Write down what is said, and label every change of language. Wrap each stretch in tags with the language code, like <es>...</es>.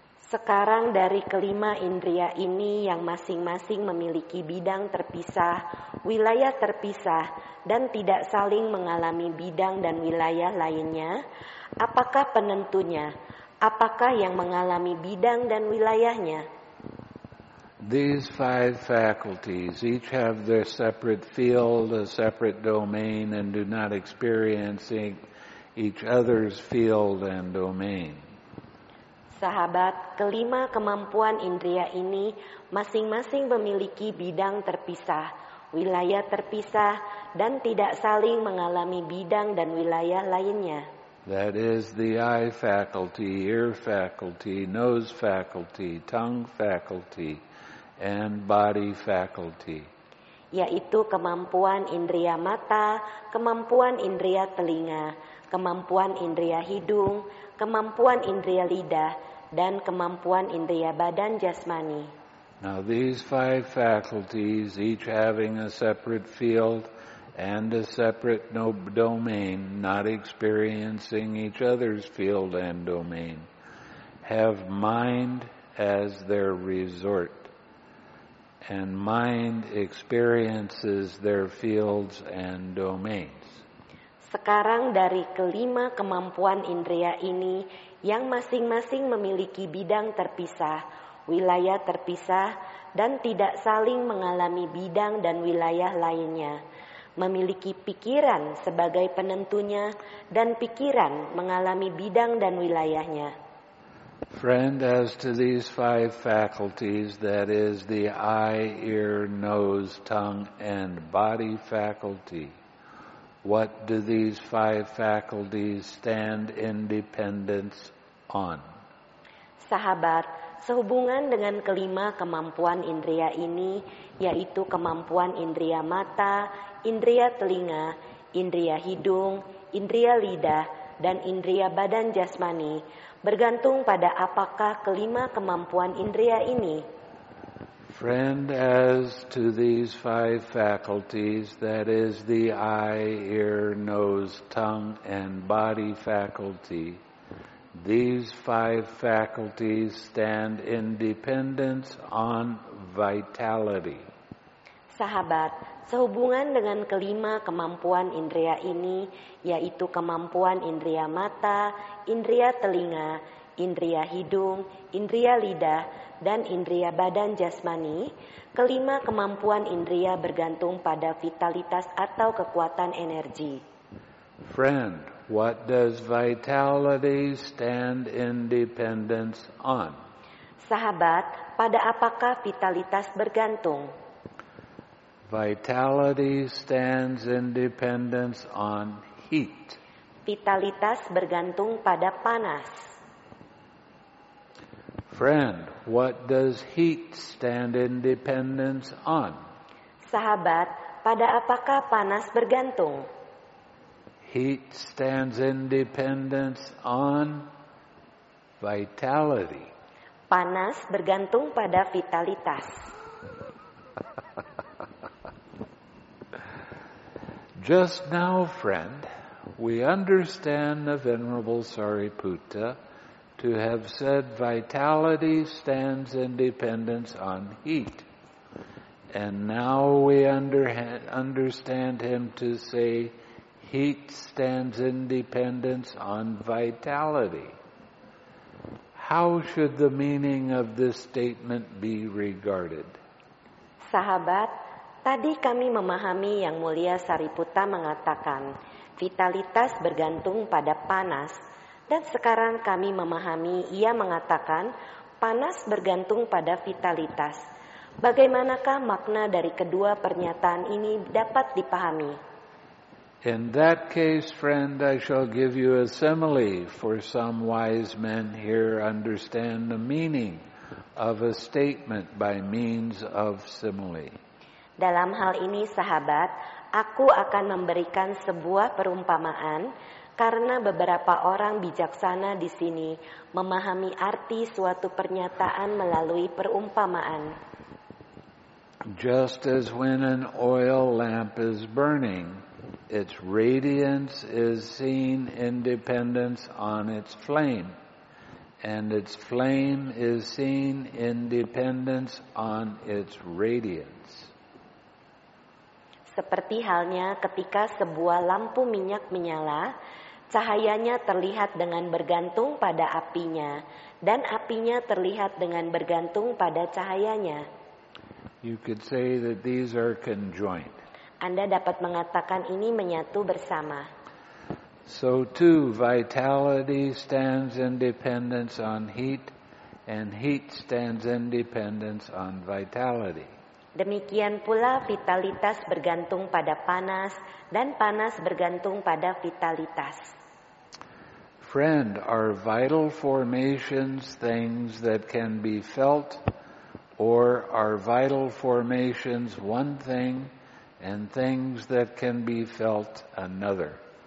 <id>Sekarang dari 5 indria ini yang masing-masing memiliki bidang terpisah, wilayah terpisah, dan tidak saling mengalami bidang dan wilayah lainnya, apakah penentunya? Apakah yang mengalami bidang dan wilayahnya?</id> <en>These 5 faculties each have their separate field, a separate domain, and do not experience each other's field and domain.</en> <id>Sahabat, 5 kemampuan indria ini masing-masing memiliki bidang terpisah, wilayah terpisah, dan tidak saling mengalami bidang dan wilayah lainnya.</id> <en>That is the eye faculty, ear faculty, nose faculty, tongue faculty, and body faculty.</en> <id>Yaitu kemampuan indria mata, kemampuan indria telinga, kemampuan indria hidung, kemampuan indria lidah, dan kemampuan indria badan jasmani.</id> <en>Now these 5 faculties, each having a separate field and a separate domain, not experiencing each other's field and domain, have mind as their resort. And mind experiences their fields and domains.</en> <id>Sekarang dari 5 kemampuan indria ini yang masing-masing memiliki bidang terpisah, wilayah terpisah, dan tidak saling mengalami bidang dan wilayah lainnya, memiliki pikiran sebagai penentunya dan pikiran mengalami bidang dan wilayahnya.</id> <en>Friend, as to these 5 faculties, that is the eye, ear, nose, tongue, and body faculty, what do these 5 faculties stand in dependence on?</en> <id>Sahabat, sehubungan dengan 5 kemampuan indria ini, yaitu kemampuan indria mata, indria telinga, indria hidung, indria lidah, dan indria badan jasmani, bergantung pada apakah 5 kemampuan indria ini.</id> <en>Friend, as to these 5 faculties, that is the eye, ear, nose, tongue, and body faculty, these 5 faculties stand in dependence on vitality.</en> <id>Sahabat, sehubungan dengan 5 kemampuan indria ini, yaitu kemampuan indria mata, indria telinga, indria hidung, indria lidah, dan indria badan jasmani. Kelima, kemampuan indria bergantung pada vitalitas atau kekuatan energi.</id> <en>Friend, what does vitality stand in dependence on?</en> <id>Sahabat, pada apakah vitalitas bergantung?</id> <en>Vitality stands in dependence on heat.</en> <id>Vitalitas bergantung pada panas.</id> <en>Friend, what does heat stand in dependence on?</en> <id>Sahabat, pada apakah panas bergantung?</id> <en>Heat stands in dependence on vitality.</en> <id>Panas bergantung pada vitalitas.</id> <en>Just now, friend, we understand the Venerable Sariputta to have said vitality stands in dependence on heat. And now we understand him to say heat stands in dependence on vitality. How should the meaning of this statement be regarded?</en> <id>Sahabat, tadi kami memahami Yang Mulia Sariputta mengatakan vitalitas bergantung pada panas, dan sekarang kami memahami ia mengatakan panas bergantung pada vitalitas. Bagaimanakah makna dari kedua pernyataan ini dapat dipahami?</id> <en>In that case, friend, I shall give you a simile for some wise men here understand the meaning of a statement by means of simile.</en> <id>Dalam hal ini, sahabat, aku akan memberikan sebuah perumpamaan karena beberapa orang bijaksana di sini memahami arti suatu pernyataan melalui perumpamaan.</id> <en>Just as when an oil lamp is burning, its radiance is seen in dependence on its flame, and its flame is seen in dependence on its radiance.</en> <id>Seperti halnya ketika sebuah lampu minyak menyala, cahayanya terlihat dengan bergantung pada apinya, dan apinya terlihat dengan bergantung pada cahayanya.</id> <en>You could say that these are conjoined.</en> <id>Anda dapat mengatakan ini menyatu bersama.</id> <en>So too, vitality stands in dependence on heat, and heat stands in dependence on vitality.</en> <id>Demikian pula vitalitas bergantung pada panas, dan panas bergantung pada vitalitas.</id> <en>Friend, are vital formations things that can be felt, or are vital formations one thing and things that can be felt another?</en>